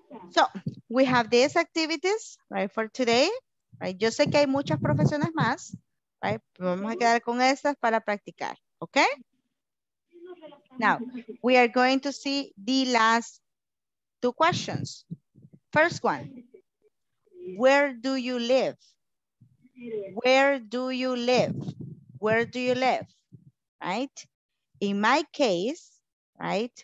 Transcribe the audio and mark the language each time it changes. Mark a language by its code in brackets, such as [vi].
[en] So we have these activities, right, for today, right? [es] Yo sé que hay muchas profesiones más, right? Vamos a quedar con estas para practicar, okay? [en] Now we are going to see the last two questions. First one. Where do you live? Where do you live? Where do you live? Right? In my case, right?